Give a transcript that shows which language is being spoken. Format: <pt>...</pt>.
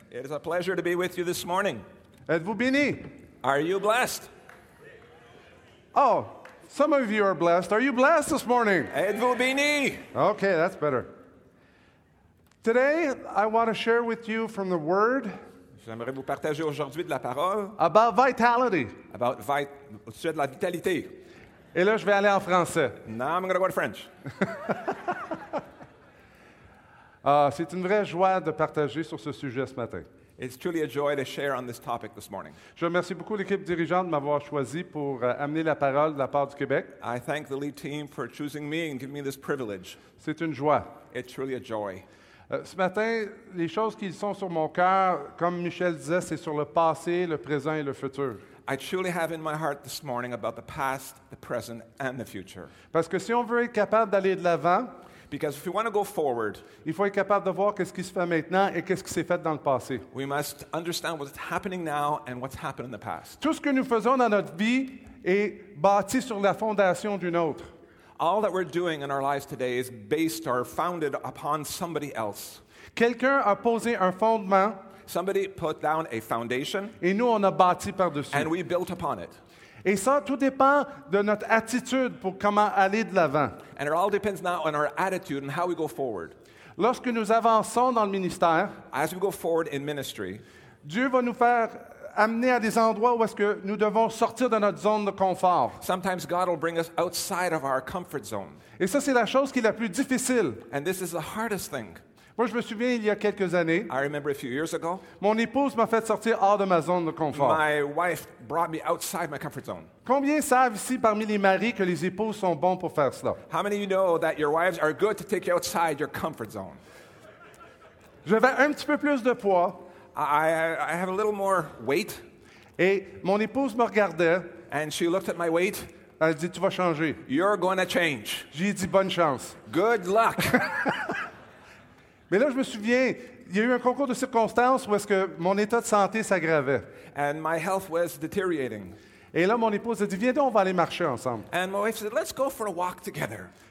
<en>It is a pleasure to be with you this morning.</en> <fr>Êtes-vous béni?</fr> <en>Are you blessed? Oh, some of you are blessed. Are you blessed this morning?</en> <fr>Êtes-vous béni?</fr> <en>Okay, that's better. Today, I want to share with you from the Word.</en> <fr>J'aimerais vous partager aujourd'hui de la parole.</fr> <en>About vitality. About</en> <fr>au sujet de la vitalité. Et là, je vais aller en français.</fr> <en>No, I'm going to go to French.</en> <fr>C'est une vraie joie de partager sur ce sujet ce matin.</fr> <en>It's truly a joy to share on this topic this morning.</en> <fr>Je remercie beaucoup l'équipe dirigeante de m'avoir choisi pour amener la parole de la part du Québec.</fr> <en>I thank the lead team for choosing me and giving me this privilege.</en> <fr>C'est une joie.</fr> <en>It's truly a joy.</en> <fr>Ce matin, les choses qui sont sur mon cœur, comme Michel disait, c'est sur le passé, le présent et le futur.</fr> <en>I truly have in my heart this morning about the past, the present and the future.</en> <fr>Parce que si on veut être capable d'aller de l'avant,</fr> <en>because if we want to go forward,</en> <fr>il faut être capable de voir qu'est-ce qui se fait maintenant et qu'est-ce qui s'est fait dans le passé.</fr> <en>We must understand what's happening now and what's happened in the past.</en> <fr>Tout ce que nous faisons dans notre vie est bâti sur la fondation d'une autre.</fr> <en>All that we're doing in our lives today is based or founded upon somebody else.</en> <fr>Quelqu'un a posé un fondement.</fr> <en>Somebody put down a foundation.</en> <fr>Et nous, on a bâti par-dessus.</fr> <en>And we built upon it.</en> <fr>Et ça, tout dépend de notre attitude pour comment aller de l'avant.</fr> <en>And it all depends now on our attitude and how we go forward.</en> <fr>Lorsque nous avançons dans le ministère,</fr> <en>as we go forward in ministry,</en> <fr>Dieu va nous faire amener à des endroits où est-ce que nous devons sortir de notre zone de confort.</fr> <en>Sometimes God will bring us outside of our comfort zone.</en> <fr>Et ça, c'est la chose qui est la plus difficile.</fr> <en>And this is the hardest thing.</en> <fr>Moi, je me souviens, il y a quelques années,</fr> <en>I remember a few years ago,</en> <fr>mon épouse m'a fait sortir hors de ma zone de confort.</fr> <en>My wife brought me outside my comfort zone.</en> <fr>Combien savent ici parmi les maris que les épouses sont bons pour faire cela?</fr> <en>How many of you know that your wives are good to take you outside your comfort zone?</en> <fr>J'avais un petit peu plus de poids.</fr> <en>I have a little more weight.</en> <fr>Et mon épouse me regardait.</fr> <en>And she looked at my weight.</en> <fr>Elle dit, tu vas changer.</fr> <en>You're going to change.</en> <fr>J'ai dit, bonne chance.</fr> <en>Good luck.</en> <fr>Mais là, je me souviens, il y a eu un concours de circonstances où est-ce que mon état de santé s'aggravait.</fr> <en>And my health was deteriorating.</en> <fr>Et là, mon épouse a dit, viens donc, on va aller marcher ensemble.</fr> <en>And my wife said, let's go for a walk together.</en>